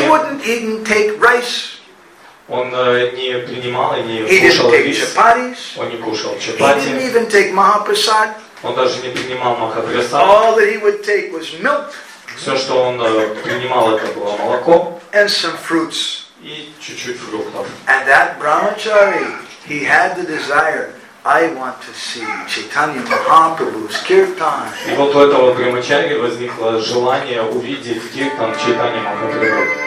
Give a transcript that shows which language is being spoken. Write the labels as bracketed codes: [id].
[en] He wouldn't even take rice. [ru] Он не принимал и не кушал рис. Он не кушал чапати. [en] He didn't even take Mahaprasad. [ru] Он даже не принимал Махапрасад. [en] All that he would take was milk. [ru] Все, что он принимал, это было молоко. [en] And some fruits. [ru] И чуть-чуть фруктов. [en] And that brahmachari, he had the desire, I want to see Chaitanya Mahaprabhu's kirtan. [ru] И вот у этого брамачари возникло желание увидеть киртан Чайтанья Махапрабху.